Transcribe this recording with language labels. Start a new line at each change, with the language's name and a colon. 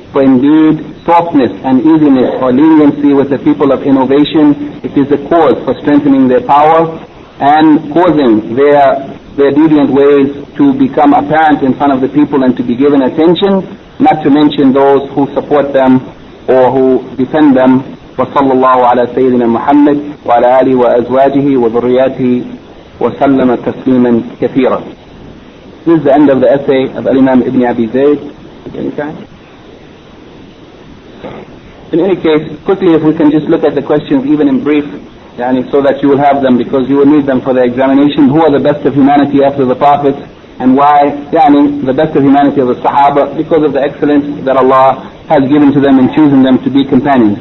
English: For indeed, softness and easiness or leniency with the people of innovation, it is a cause for strengthening their power and causing their deviant ways to become apparent in front of the people and to be given attention, not to mention those who support them or who defend them.
Arabic: وصلى الله على سيدنا محمد وعلى آله وأزواجه وذرياته وسلم تسليما كثيرا.
English: This is the end of the essay of Al-Imaam ibn Abi Zaid. In any case, quickly, if we can just look at the questions, even in brief, يعني, so that you will have them, because you will need them for the examination. Who are the best of humanity after the Prophet, and why? يعني, the best of humanity of the Sahaba, because of the excellence that Allah has given to them in choosing them to be companions.